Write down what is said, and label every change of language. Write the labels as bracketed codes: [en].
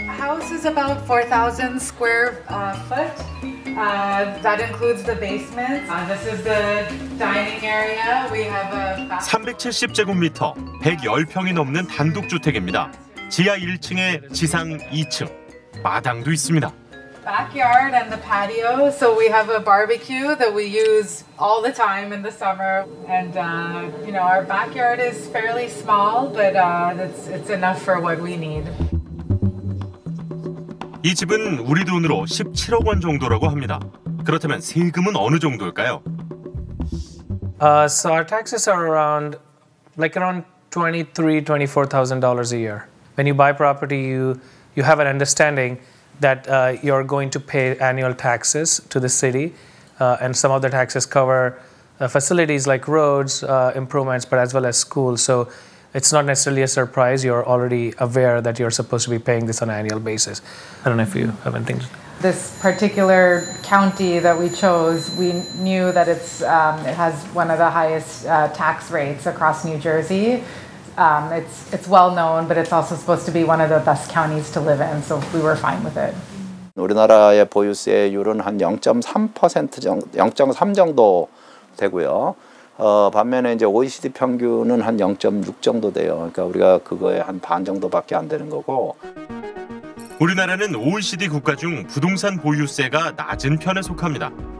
[en] House is about 4000 square foot. That includes the basement. This is the dining area. We have a [ko] 370제곱미터, 110평이 넘는 단독주택입니다. 지하 1층에 지상 2층 마당도 있습니다. [en] Backyard and the patio. So we have a barbecue that we use all the time in the summer. And you know, our backyard is fairly small, but it's enough for what we need. [ko] 이 집은 우리 돈으로 17억 원 정도라고 합니다. 그렇다면 세금은 어느 정도일까요? [en] So our taxes are around like around $23,000-$24,000 a year. When you buy property, you have an understanding that you're going to pay annual taxes to the city, and some of the taxes cover facilities like roads, improvements, but as well as schools. So it's not necessarily a surprise. You're already aware that you're supposed to be paying this on an annual basis. I don't know if you have anything. This particular county that we chose, we knew that it's it has one of the highest tax rates across New Jersey. It's well known, but it's also supposed to be one of the best counties to live in, so we were fine with it. [ko] 우리나라의 보유세율은 한 0.3% 0.3 정도 되고요. 반면에 이제 OECD 평균은 한 0.6 정도 돼요. 그러니까 우리가 그거의 한 반 정도밖에 안 되는 거고. 우리나라는 OECD 국가 중 부동산 보유세가 낮은 편에 속합니다.